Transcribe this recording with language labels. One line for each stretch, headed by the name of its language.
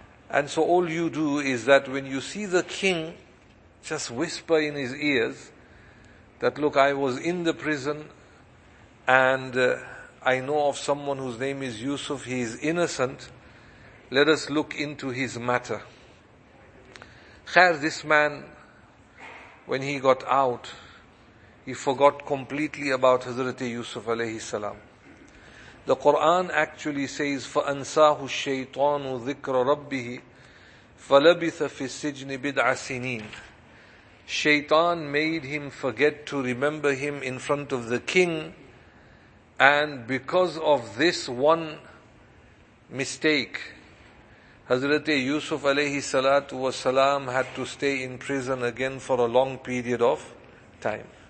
English: And so all you do is that when you see the king, just whisper in his ears that, look, I was in the prison and I know of someone whose name is Yusuf, he is innocent. Let us look into his matter. Khair, this man, when he got out, he forgot completely about Hazrat Yusuf alayhi salam. The Quran actually says,
Arabic: فَأَنْسَاهُ الشَّيْطَانُ ذِكْرَ رَبِّهِ فَلَبِثَ فِي السِّجْنِ بِدْعَ سِنِينَ.
English: Shaitan made him forget to remember him in front of the king, and because of this one mistake, Hazrat Yusuf alayhi salatu wa salam had to stay in prison again for a long period of time.